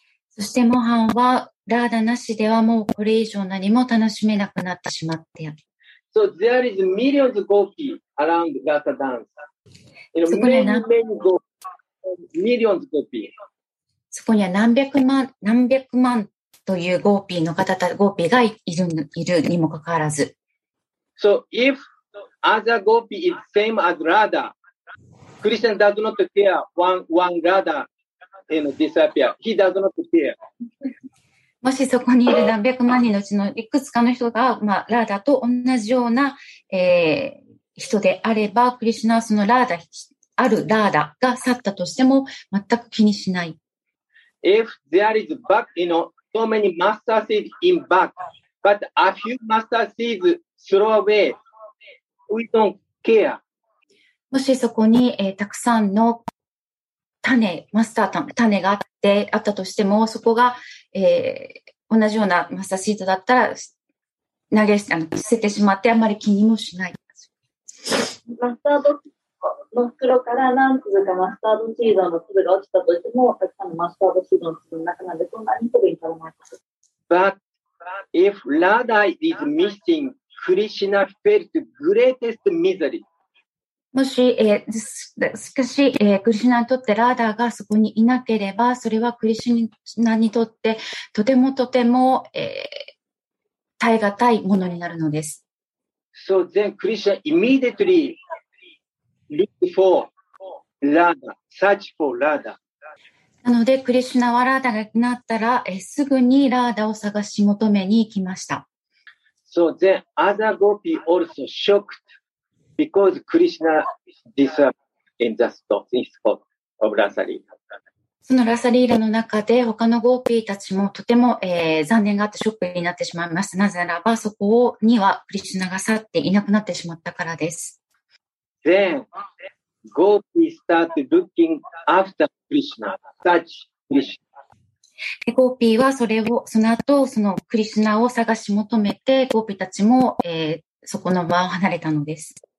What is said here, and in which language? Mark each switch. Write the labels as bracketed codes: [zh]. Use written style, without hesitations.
[ja] そしてモーハンはラダなしではもうこれ以上何も楽しめなくなってしまって。 [en] So there is millions of gopi around Radha dance. You know, many gopi, millions of gopi. [ja] そこには何百万というゴーピーの方たゴーピーがいるにもかかわらず。 [en] So if other gopi is same as Radha, Krishna does not care one Radha and disappear. He does not care. [ja] もしそこにいる何百万人のうちのいくつかの人が、まあ、ラーダと同じような、人であれば、クリシュナはそのラーダ、あるラーダが去ったとしても全く気にしない。 [en] If there is back, you know, so many master seeds in back, but a few master seeds throw away, we don't care. [ja] もしそこに、たくさんの種、マスター種があって、あったとしても、そこが、同じようなマスターシードだったら投げ捨ててしまって、あまり気にもしない。マスタードシード。 [en] But if Radha is missing, Krishna felt the greatest misery. [ja] もし、しかし、クリシュナにとってラーダがそこにいなければ、それはクリシュナにとってとてもとても、耐え難いものになるのです。 [en] So then Krishna immediately. Look for Radha, search for Radha. [ja] なのでクリシュナはラーダがいなくなったら、すぐにラーダを探し求めに行きました。 [en] So the other gopi also shocked because Krishna disappeared in the spot, in spot of Rasalila. [ja] そのラサリーラの中で他のゴーピーたちもとても、残念があってショックになってしまいました。なぜならばそこにはクリシュナが去っていなくなってしまったからです。 [en] Then, gopis start looking after Krishna, search Krishna. [ja] Gopi はそれを、その後、そのクリシュナを探し求めて、ゴーピーたちも、そこの場を離れたのです。